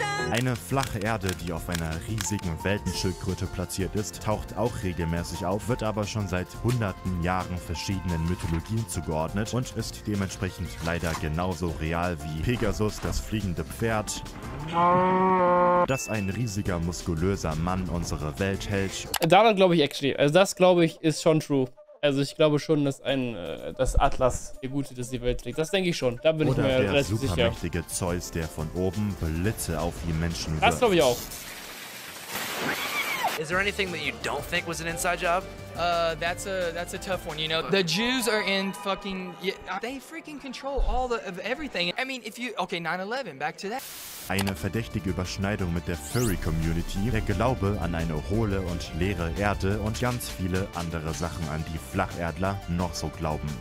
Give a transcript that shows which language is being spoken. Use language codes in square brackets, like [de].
[de] Eine flache Erde, die auf einer riesigen Weltenschildkröte platziert ist, taucht auch regelmäßig auf, wird aber schon seit hunderten Jahren verschiedenen Mythologien zugeordnet und ist dementsprechend leider genauso real wie Pegasus, das fliegende Pferd, dass ein riesiger, muskulöser Mann unsere Welt hält. Daran glaube ich actually. Also das glaube ich ist schon true. Also ich glaube schon, dass dass Atlas der Gute, dass die Welt trägt. Das denke ich schon. Da bin oder ich mir relativ sicher. Oder der supermächtige Zeus, der von oben Blitze auf die Menschen wirft. Das glaube ich auch. [en] Is there anything that you don't think was an inside job? That's a tough one, you know. The Jews are in fucking, they freaking control all of everything. I mean, if you, okay, 9/11, back to that. [de] Eine verdächtige Überschneidung mit der Furry-Community, der Glaube an eine hohle und leere Erde und ganz viele andere Sachen, an die Flacherdler noch so glauben.